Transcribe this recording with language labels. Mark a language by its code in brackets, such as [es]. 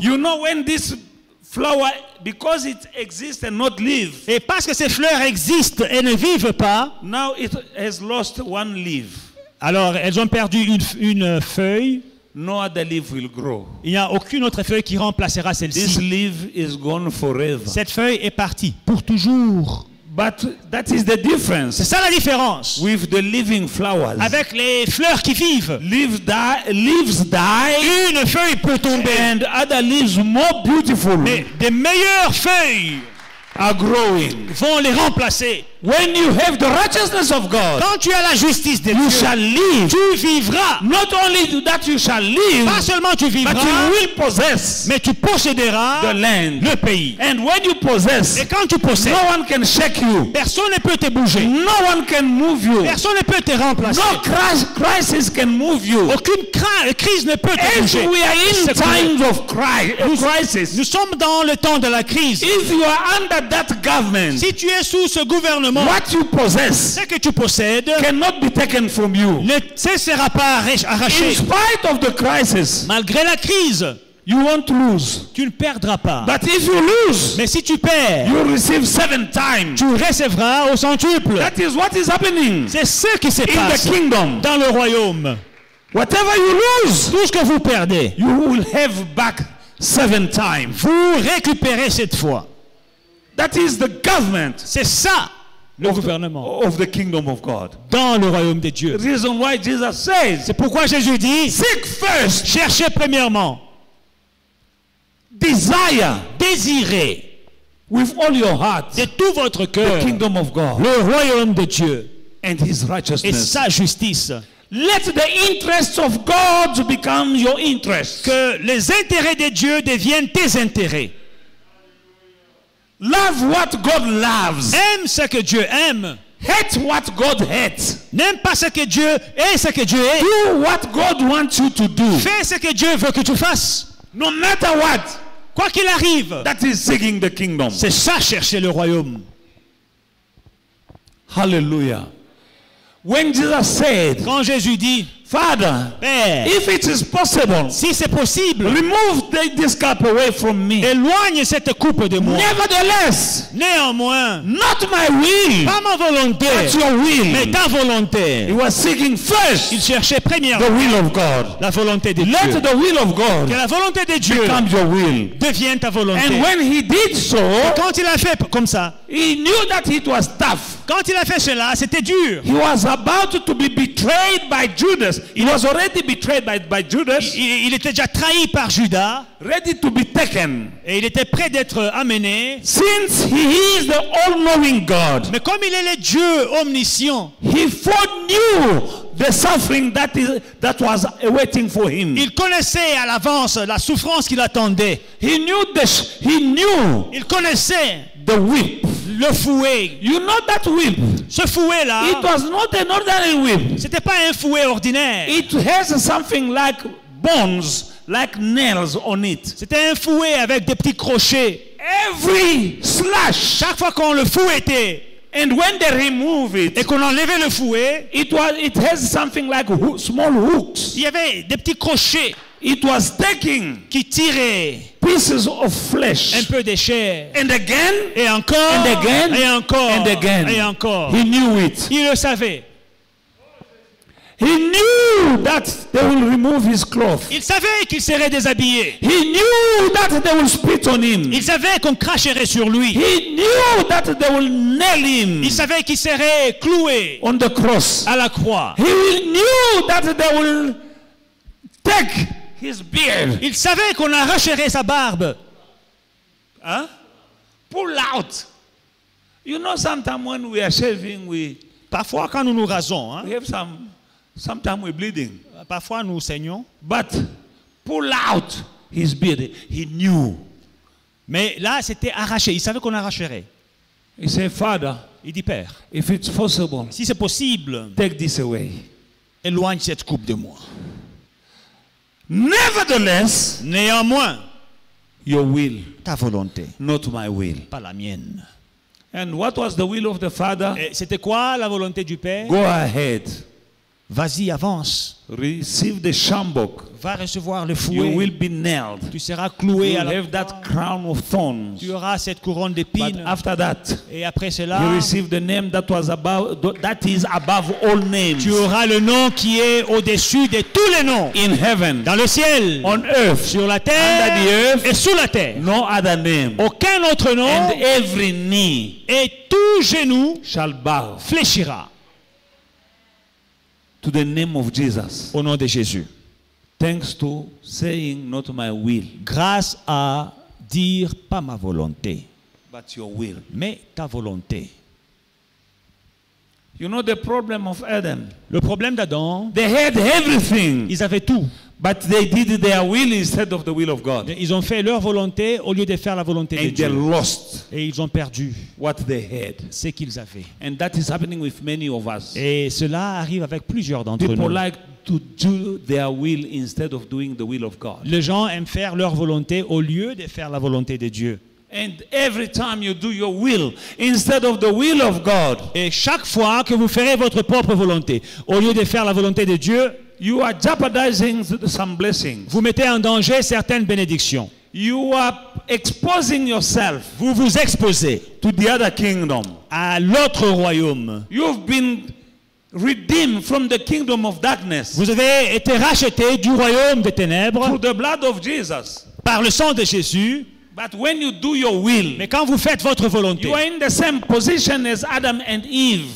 [en] You know when this flower, because it exists and not live. [fr] Et parce que ces fleurs existent et ne vivent pas. [en] Now it has lost one leaf. [fr] Alors elles ont perdu une feuille. [en] No other leaf will grow. [fr] Il n'y a aucune autre feuille qui remplacera celle-ci. [en] This leaf is gone forever. [fr] Cette feuille est partie pour toujours. [en] But that is the difference. [fr] C'est ça la différence. [en] With the living flowers. [fr] Avec les fleurs qui vivent. [en] Leaves die. [fr] Une feuille peut tomber. [en] And other leaves more beautiful. [fr] Mais des meilleures feuilles [en] are growing. [fr] Vont les remplacer. [en] When you have the righteousness of God. [fr] Quand tu as la justice de Dieu. [en] You shall live. [fr] Tu vivras. [en] Not only that you shall live. [fr] Pas seulement tu vivras. [en] But you will possess. [fr] Mais tu posséderas. [en] The land. [fr] Le pays. [en] And when you possess. [fr] Et quand tu possèdes. [en] No one can shake you. [fr] Personne ne peut te bouger. [en] No one can move you. [fr] Personne ne peut te remplacer. [en] No crisis can move you. [fr] Aucune crise ne peut te bouger. [en] If we are in times of crisis. [fr] Nous sommes dans le temps de la crise. [en] If you are under that government. [fr] Si tu es sous ce gouvernement. [en] What you possess, [fr] ce que tu possèdes, [en] cannot be taken from you. [fr] Ne te sera pas arraché. [en] In spite of the crisis, [fr] malgré la crise, [en] you won't lose. [fr] Tu ne perdras pas. [en] But if you lose, [fr] mais si tu perds, [en] you receive seven times. [fr] Tu recevras au centuple. [en] That is what is happening. [fr] C'est ce qui se passe. [en] In the kingdom, [fr] dans le royaume, [en] whatever you lose, [fr] tout ce que vous perdez, [en] you will have back seven times. [fr] Vous récupérez cette fois. [en] That is the government. [fr] C'est ça. Le gouvernement [en] of the kingdom of God. [fr] Dans le royaume de Dieu. [en] Reason why Jesus says, [fr] c'est pourquoi Jésus dit, [en] seek first, [fr] cherchez premièrement, [en] desire, [fr] désirez, [en] with all your heart, [fr] de tout votre cœur, [en] the kingdom of God, [fr] le royaume de Dieu, [en] and his righteousness, [fr] et sa justice. [en] Let the interests of God become your interests. [fr] Que les intérêts de Dieu deviennent tes intérêts. [en] Love what God loves. [fr] Aime ce que Dieu aime. [en] Hate what God hates. [fr] N'aime pas ce que Dieu est, ce que Dieu est. [en] Do what God wants you to do. [fr] Fais ce que Dieu veut que tu fasses. [en] No matter what. [fr] Quoi qu'il arrive. [en] That is seeking the kingdom. [fr] C'est ça, chercher le royaume. [en] Hallelujah. When Jesus said, [fr] quand Jésus dit, [en] Father, [fr] Père, [en] if it is possible, [fr] si c'est possible, [en] remove this cup away from me. [fr] Éloigne cette coupe de moi. [en] Nevertheless, [fr] néanmoins, [en] not my will, [fr] pas ma volonté, [en] but your will, [fr] mais ta volonté. [en] He was seeking first, [fr] il cherchait premièrement, [en] the will of God, [fr] la volonté de [en] Let [fr] Dieu. [en] The will of God, [fr] que la volonté de Dieu, [en] become your will, [fr] devienne ta volonté. [en] And when he did so, [fr] et quand il a fait comme ça, [en] he knew that it was tough. [fr] Quand il a fait cela, c'était dur. [en] He was about to be betrayed by Judas. He was already betrayed by Judas. [fr] Il était déjà trahi par Judas. [en] Ready to be taken. [fr] Et il était prêt d'être amené. [en] Since he is the all-knowing God. [fr] Mais comme il est le Dieu omniscient. [en] He foreknew the suffering that was waiting for him. [fr] Il connaissait à l'avance la souffrance qui l'attendait. [en] He knew. [fr] Il connaissait [en] the whip. [fr] Le fouet. [en] You know that whip. [fr] Ce fouet là. [en] It was not an ordinary whip. [fr] C'était pas un fouet ordinaire. [en] It has something like bones, like nails on it. [fr] C'était un fouet avec des petits crochets. [en] Every slash. [fr] Chaque fois qu'on le fouettait. [en] And when they remove it. [fr] Et qu'on enlevait le fouet. [en] It has something like small hooks. [fr] Il y avait des petits crochets. [en] It was taking. [fr] Qui tirait. [en] Pieces of flesh. [fr] Un peu de chair. [en] And again. [fr] Et encore. [en] And again. [fr] Et encore. [en] And again. [fr] Et encore. [en] He knew it. [fr] Il le savait. [en] He knew that they will remove his cloth. [fr] Il savait qu'il serait déshabillé. [en] He knew that they will spit on him. [fr] Il savait qu'on cracherait sur lui. [en] He knew that they will nail him. [fr] Il savait qu'il serait cloué [en] on the cross. [fr] À la croix. [en] He knew that they will take his beard. [fr] Il savait qu'on arracherait sa barbe. Hein? [en] Pull out. You know, sometimes when we are shaving, we [fr] parfois quand nous nous rasons, hein? [en] We have some. Sometimes we're bleeding. [fr] Parfois nous saignons. [en] But pull out his beard. He knew. [fr] Mais là, c'était arraché. Il savait qu'on arracherait. [en] He said, Father. [fr] Il dit, Père. [en] If it's possible. [fr] Si c'est possible. [en] Take this away. [fr] Éloigne cette coupe de moi. [en] Nevertheless. [fr] Néanmoins. [en] Your will. [fr] Ta volonté. [en] Not my will. [fr] Pas la mienne. [en] And what was the will of the Father? [fr] Et c'était quoi la volonté du Père? [en] Go ahead. [fr] Vas-y, avance. [en] Receive the shambok. [fr] Va recevoir le fouet. [en] You will be nailed. [fr] Tu seras cloué. [en] You will have that crown of thorns. [fr] Tu auras cette couronne d'épines. [en] But after that, [fr] et après cela, [en] you receive the name that was above, that is above all names. [fr] Tu auras le nom qui est au-dessus de tous les noms. [en] In heaven, [fr] dans le ciel. [en] On earth, [fr] sur la terre. [en] Under the earth, [fr] et sous la terre. [en] No other name, [fr] aucun autre nom. [en] And every knee, [fr] et tout genou [en] shall bow, [fr] fléchira. [en] To the name of Jesus. [fr] Au nom de Jésus. [en] Thanks to saying not my will. [fr] Grâce à dire pas ma volonté. [en] But your will. [fr] Mais ta volonté. [en] You know the problem of Adam. [fr] Le problème d'Adam. [en] They had everything. [fr] Ils avaient tout. [en] But they did their will instead of the will of God. [fr] Ils ont fait leur volonté au lieu de faire la volonté de Dieu. [en] And they lost. [fr] Et ils ont perdu. [en] What they had. [fr] Ce qu'ils avaient. [en] And that is happening with many of us. [fr] Et cela arrive avec plusieurs d'entre [en] People [fr] nous. [en] People like to do their will instead of doing the will of God. [fr] Les gens aiment faire leur volonté au lieu de faire la volonté de Dieu. [en] And every time you do your will instead of the will of God. [fr] Et chaque fois que vous ferez votre propre volonté au lieu de faire la volonté de Dieu. [en] You are jeopardizing some blessings. [fr] Vous mettez en danger certaines bénédictions. [en] You are exposing yourself. [fr] Vous vous exposez [en] to the other kingdom. [fr] À l'autre royaume. [en] You've been redeemed from the kingdom of darkness. [fr] Vous avez été racheté du royaume des ténèbres. [en] Through the blood of Jesus. [fr] Par le sang de Jésus. [en] But when you do your will, [fr] mais quand vous faites votre volonté, [en] you are in the same position as Adam and Eve.